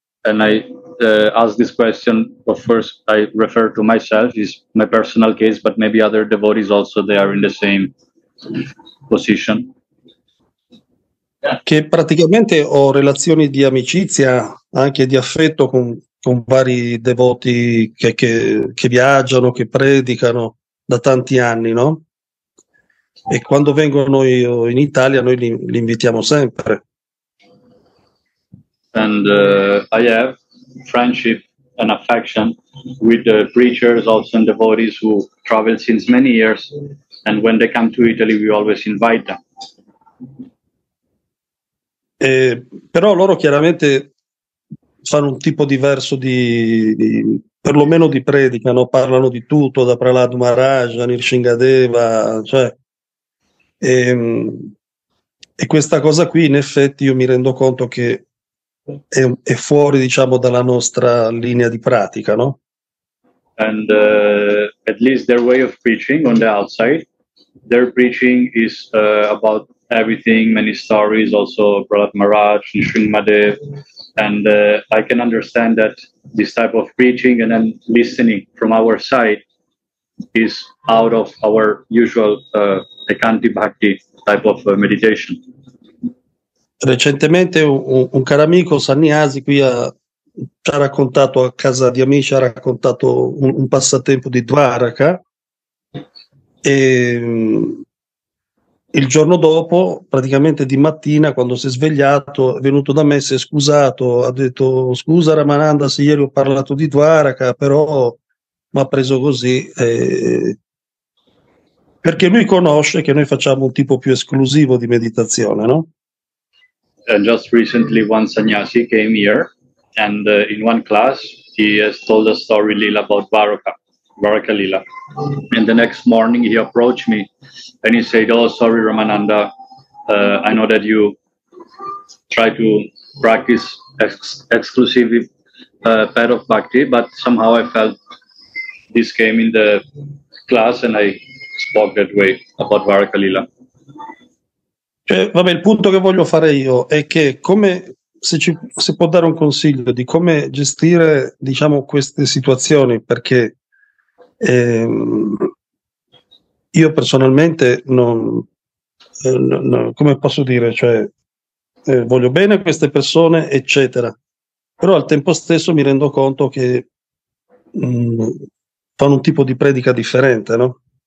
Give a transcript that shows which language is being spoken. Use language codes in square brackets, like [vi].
[en] And I ask this question, of course I refer to myself, it's my personal case, but maybe other devotees also, they are in the same position. [it] Che praticamente ho relazioni di amicizia, anche di affetto con vari devoti che viaggiano, che predicano da tanti anni, no? E quando vengono in Italia noi li invitiamo sempre. [en] And I have friendship and affection with the preachers also and devotees who travel since many years, and when they come to Italy we always invite them. [it] Però loro chiaramente fanno un tipo diverso di perlomeno di predica, no? Parlano di tutto, da Prahlad Maharaj, Nirsingadeva, cioè, e questa cosa qui in effetti io mi rendo conto che è fuori, diciamo, dalla nostra linea di pratica, no? [en] And at least their way of preaching on the outside, their preaching is about everything, many stories, also Prahlad Maharaj, Nrisimhadev, and I can understand that this type of preaching and then listening from our side is out of our usual Ekanti Bhakti type of meditation. [it] Recentemente un caro amico Sannyasi qui ci ha raccontato, a casa di amici, ha raccontato un passatempo di Dwaraka, e il giorno dopo, praticamente di mattina, quando si è svegliato, è venuto da me, si è scusato, ha detto: scusa Ramananda, se ieri ho parlato di Dwaraka, però mi ha preso così. Perché lui conosce che noi facciamo un tipo più esclusivo di meditazione, no? [en] And just recently one sannyasi came here, and in one class he has told a story, Lila, about Dwaraka Lila. And the next morning he approached me and he said, oh, sorry, Ramananda, I know that you try to practice exclusive path of bhakti, but somehow I felt this came in the class and I spoke that way about Dwaraka Lila. [it] Cioè, vabbè, il punto che voglio fare io è che come se può dare un consiglio di come gestire, diciamo, queste situazioni, perché io personalmente come posso dire, cioè, voglio bene a queste persone, eccetera, però al tempo stesso mi rendo conto che fanno un tipo di predica differente, no?